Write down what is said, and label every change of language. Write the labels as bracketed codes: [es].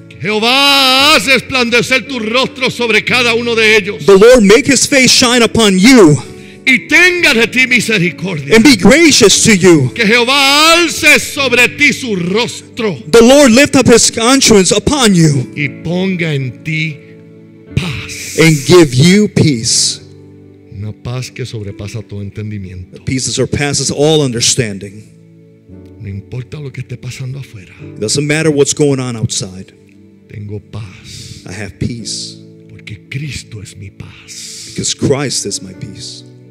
[es] Jehová, haz resplandecer tu rostro sobre cada uno de ellos. [en] The Lord make his face shine upon you. [es] Y tenga de ti misericordia. [en] And be gracious to you. [es] Que Jehová alce sobre ti su rostro. [en] The Lord lift up his countenance upon you. [es] Y ponga en ti paz. [en] And give you peace. [es] Una paz que sobrepasa todo entendimiento. [en] A peace that surpasses all understanding. [es] No importa lo que esté pasando afuera. [en] It doesn't matter what's going on outside. [es] Tengo paz. [en] I have peace. [es] Porque Cristo es mi paz. [en] Because Christ is my peace.